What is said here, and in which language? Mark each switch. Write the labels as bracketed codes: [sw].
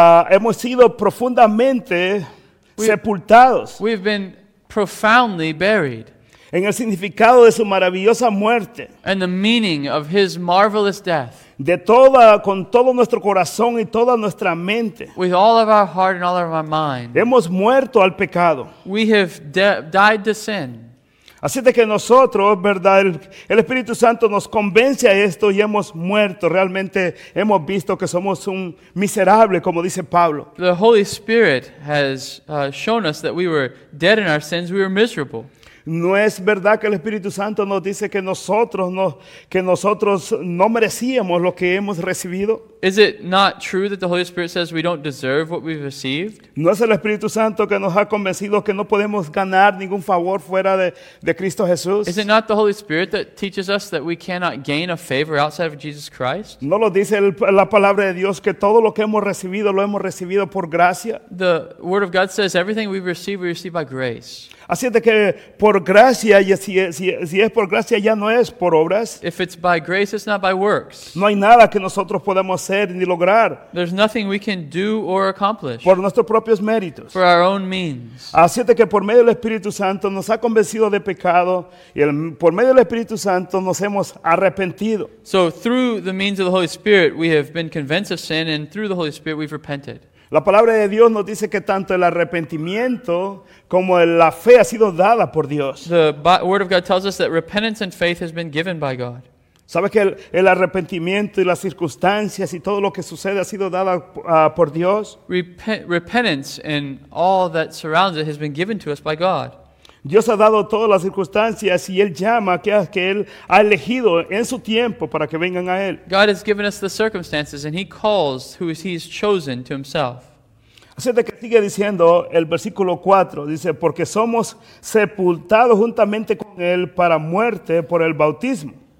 [es] Hemos sido profundamente sepultados. [en] We've been profoundly buried. [es] En el significado de su maravillosa muerte. [en] And the meaning of his marvelous death. [es] Con todo nuestro corazón y toda nuestra mente. [en] With all of our heart and all of our mind. [es] Hemos muerto al pecado. [en] We have died to sin. [es] Así de que nosotros, ¿verdad?, el Espíritu Santo nos convence a esto y hemos muerto. Realmente hemos visto que somos un miserable, como dice Pablo. [en] The Holy Spirit has shown us that we were dead in our sins, we were miserable. [es] No es verdad que el Espíritu Santo nos dice que nosotros no merecíamos lo que hemos recibido. [en] Is it not true that the Holy Spirit says we don't deserve what we've received? [es] No es el Espíritu Santo que nos ha convencido que no podemos ganar ningún favor fuera de Cristo Jesús. [en] Is it not the Holy Spirit that teaches us that we cannot gain a favor outside of Jesus Christ? [es] No lo dice la palabra de Dios que todo lo que hemos recibido lo hemos recibido por gracia. [en] The Word of God says everything we receive by grace. [es] Así es de que por gracia, y si es por gracia, ya no es por obras. [en] If it's by grace, it's not by works. [es] No hay nada que nosotros podamos hacer ni lograr. [en] There's nothing we can do or accomplish. [es] Por nuestros propios méritos. [en] For our own means. [es] Así es de que por medio del Espíritu Santo nos ha convencido de pecado, y por medio del Espíritu Santo nos hemos arrepentido. [en] So through the means of the Holy Spirit, we have been convinced of sin, and through the Holy Spirit, we've repented. [es] La palabra de Dios nos dice que tanto el arrepentimiento como la fe ha sido dada por Dios. [en] The Word of God tells us that repentance and faith has been given by God. [es] ¿Sabes que el arrepentimiento y las circunstancias y todo lo que sucede ha sido dada por Dios? [en] Repentance and all that surrounds it has been given to us by God. [es] Dios ha dado todas las circunstancias y Él llama a aquellos que Él ha elegido en su tiempo para que vengan a Él. [en] God has given us the circumstances and He calls who He has chosen to Himself. [es] Así de que sigue diciendo el versículo 4, dice, porque somos sepultados juntamente con Él para muerte por el bautismo.